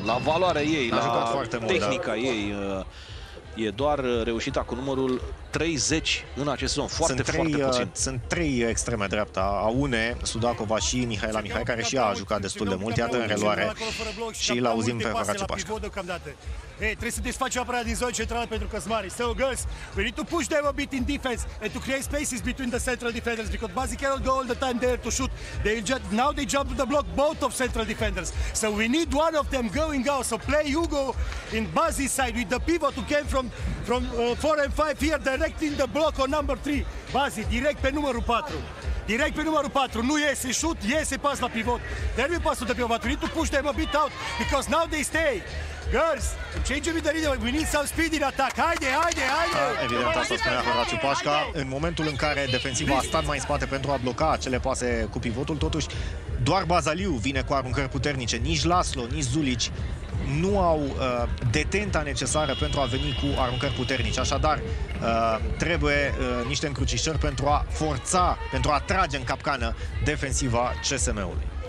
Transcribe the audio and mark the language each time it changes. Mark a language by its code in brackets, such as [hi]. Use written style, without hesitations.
[ro] La valoarea ei, la tehnica ei, e doar reușită cu numărul 30 în acest sezon. Foarte puțin. Sunt trei extreme dreapta. Aune, Sudakova și Mihaela Mihai, care și ea a jucat destul de mult. Iată în reluare și îl auzim pe Horace Pașca. Hey, trebuie să desfaci apărarea din zona centrală pentru că smari. [en] So girls, we need to push them a bit in defense and to create spaces between the central defenders because basically they'll go all the time there to shoot. Now they jump to the block both of central defenders. So we need one of them going out. So play Hugo in Buzzy side with the pivot who came from 4 and 5 here direct in the block on number 3. [ro] Buzzy, direct pe numărul 4. Direct pe numărul 4, nu iese shoot, iese pas la pivot. [en] Derby [ro] pasul de pivot, [en] we need to push them a bit out because now they stay. Girls, change the rhythm, we need some speed in attack. [ro] Haide, haide, haide! Evident, asta spunea Horaciu Pașca. În momentul în care defensiva a stat mai în spate pentru a bloca acele pase cu pivotul, totuși doar Bazaliu vine cu aruncări puternice. Nici Laszlo, nici Zulici nu au detenta necesară pentru a veni cu aruncări puternice. Așadar, trebuie niște încrucișări pentru a forța, pentru a trage în capcană defensiva CSM-ului.